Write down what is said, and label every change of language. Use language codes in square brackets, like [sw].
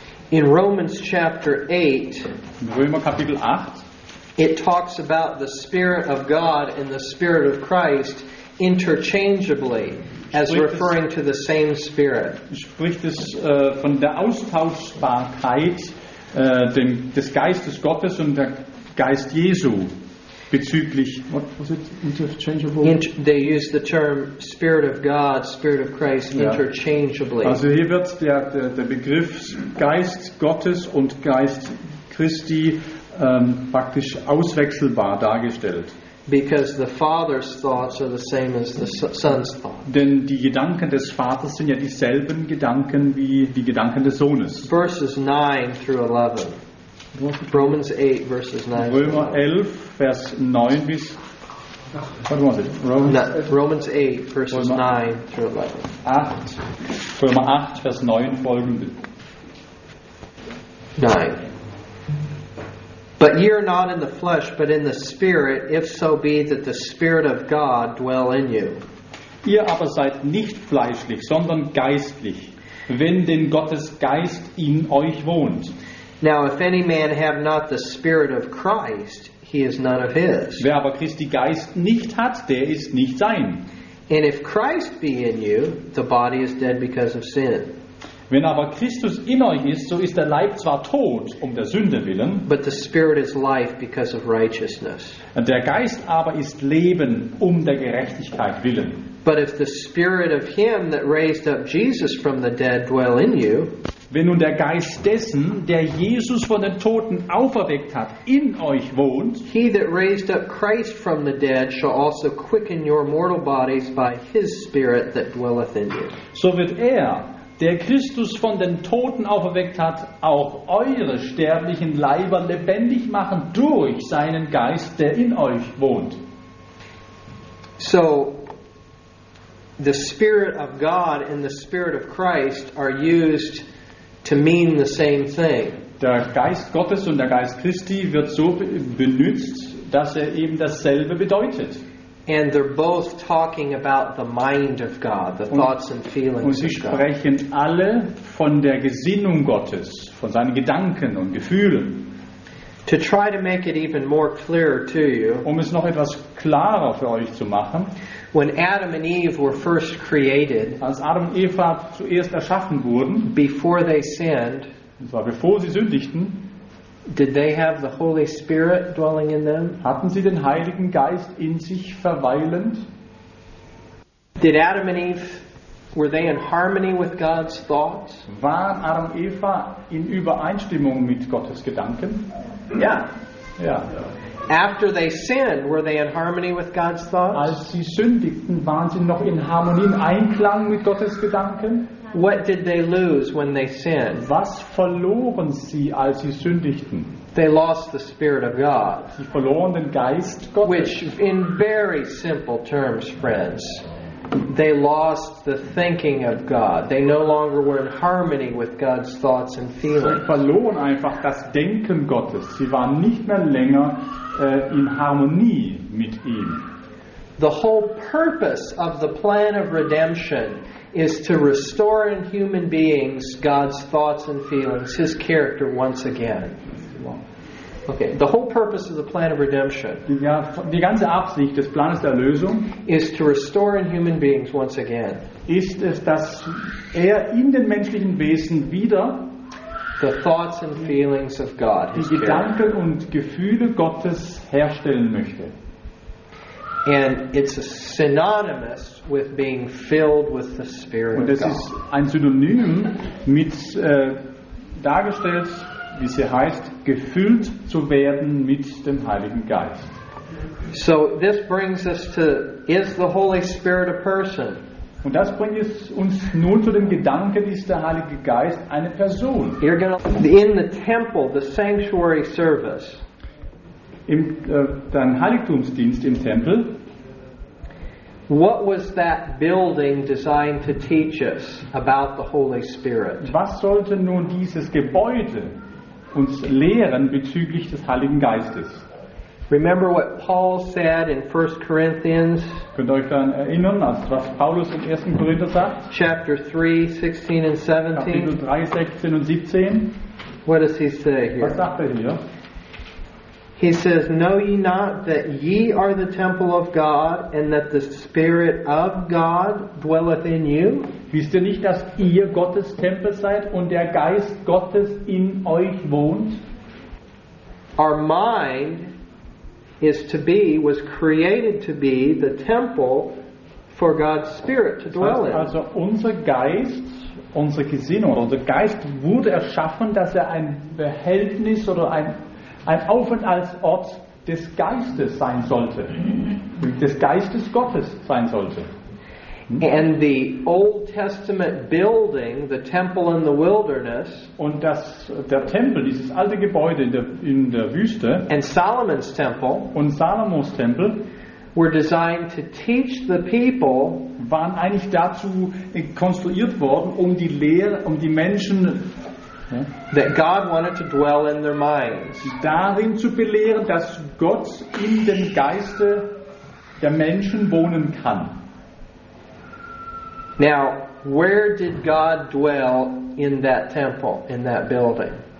[en] In Romans chapter 8, [de] in Römer Kapitel 8, [en] it talks about the Spirit of God and the Spirit of Christ interchangeably, as referring to the same Spirit. [de] Spricht es von der Austauschbarkeit des Geistes Gottes und der Geist Jesu bezüglich, [en] what was it, interchangeable? They use the term Spirit of God, Spirit of Christ, yeah, interchangeably. [de] Also hier wird der Begriff Geist Gottes und Geist Christi praktisch auswechselbar dargestellt. [en] Because the Father's thoughts are the same as the Son's thoughts. [de] Denn die Gedanken des Vaters sind ja dieselben Gedanken wie die Gedanken des Sohnes. [en] Verses 9 through 11. Romans 8, verses 9. [de] Römer 11, Vers 9 bis... [en] What was it? Romans 8, verses 9 through 11. [de] 8. Römer 8, Vers 9, folgende. 9. [en] But ye are not in the flesh, but in the Spirit, if so be that the Spirit of God dwell in you. [de] Ihr aber seid nicht fleischlich, sondern geistlich, wenn denn Gottes Geist in euch wohnt. [en] Now, if any man have not the Spirit of Christ, he is none of his. [de] Wer aber Christi Geist nicht hat, der ist nicht sein. [en] And if Christ be in you, the body is dead because of sin. [de] Wenn aber Christus in euch ist, so ist der Leib zwar tot um der Sünde willen. [en] But the Spirit is life because of righteousness. [de] Der Geist aber ist Leben um der Gerechtigkeit willen. [en] But if the Spirit of him that raised up Jesus from the dead dwell in you, [de] wenn nun der Geist dessen, der Jesus von den Toten auferweckt hat, in euch wohnt, [en] he that raised up Christ from the dead shall also quicken your mortal bodies by his Spirit that dwelleth in you. [de] So wird der Christus von den Toten auferweckt hat, auch eure sterblichen Leiber lebendig machen durch seinen Geist, der in euch wohnt. [en] So, the Spirit of God and the Spirit of Christ are used to mean the same thing. [de] Der Geist Gottes und der Geist Christi wird so benutzt, dass eben dasselbe bedeutet. [en] And they're both talking about the mind of God, the thoughts and feelings of God. [de] Und sie sprechen alle von der Gesinnung Gottes, von seinen Gedanken und Gefühlen. [en] To try to make it even more clearer to you, [de] um es noch etwas klarer für euch zu machen, [en] when Adam and Eve were first created, [de] als Adam und Eva zuerst erschaffen wurden, [en] before they sinned, [de] und zwar bevor sie sündigten, [en] did they have the Holy Spirit dwelling in them? [de] Hatten sie den Heiligen Geist in sich verweilend? [en] Did Adam and Eve, were they in harmony with God's thoughts? [de] Waren Adam und Eva in Übereinstimmung mit Gottes Gedanken? [en] Yeah. Yeah. After they sinned, were they in harmony with God's thoughts? [de] Als sie sündigten, waren sie noch in Harmonie, in Einklang mit Gottes Gedanken? [en] What did they lose when they sinned? [de] Was verloren sie, als sie sündigten? [en] They lost the Spirit of God. [de] Sie verloren den Geist Gottes. [en] Which, in very simple terms, friends, they lost the thinking of God. They no longer were in harmony with God's thoughts and feelings. [de] Sie verloren einfach das Denken Gottes. Sie waren nicht mehr länger in Harmonie mit ihm. [en] The whole purpose of the plan of redemption is to restore in human beings God's thoughts and feelings, his character once again. Okay. The whole purpose of the plan of redemption, [de] ja, die ganze Absicht des Planes der Erlösung, [en] is to restore in human beings once again, [de] ist es, dass in den menschlichen Wesen wieder [en] the thoughts and feelings of God, [de] die Gedanken und Gefühle Gottes herstellen möchte. [en] And it's synonymous with being filled with the Spirit of God. [de] Und das ist ein Synonym mit dargestellt, wie es hier heißt, gefüllt zu werden mit dem Heiligen Geist. [en] So this brings us to, is the Holy Spirit a person? [de] Und das bringt uns nun zu dem Gedanken, ist der Heilige Geist eine Person? [en] You're gonna, in the temple, the sanctuary service, [de] im dann Heiligtumsdienst im Tempel. [en] What was that building designed to teach us about the Holy Spirit? [de] Was sollte nun dieses Gebäude uns lehren bezüglich des Heiligen Geistes? [en] Remember what Paul said in 1 Corinthians? [de] Könnt ihr euch daran erinnern, was Paulus in 1. Korinther sagt? [en] Chapter 3, 16 and 17. [de] Kapitel 3, 16 und 17. [en] What does he say here? [de] Was sagt er hier? [en] He says, "Know ye not that ye are the temple of God, and that the Spirit of God dwelleth in you?" [de] Wisst ihr nicht, dass ihr Gottes Tempel seid und der Geist Gottes in euch wohnt? [en] Our mind is to be, was created to be, the temple for God's Spirit to dwell in. [de] Also unser Geist, unsere Gesinnung, unser Geist wurde erschaffen, dass ein Behältnis oder ein Aufenthaltsort des Geistes sein sollte, des Geistes Gottes sein sollte. [en] And the Old Testament building, the temple in the wilderness, [de] und der Tempel, dieses alte Gebäude in der Wüste, [en] and Solomon's temple, [de] und Salomos Tempel, [en] were designed to teach the people, [de] waren eigentlich dazu konstruiert worden, um die Menschen, [en] that God wanted to dwell in their minds, [de] darin zu belehren, dass Gott in dem Geiste der Menschen wohnen kann. [en] Now, where did God dwell in that temple, in that building?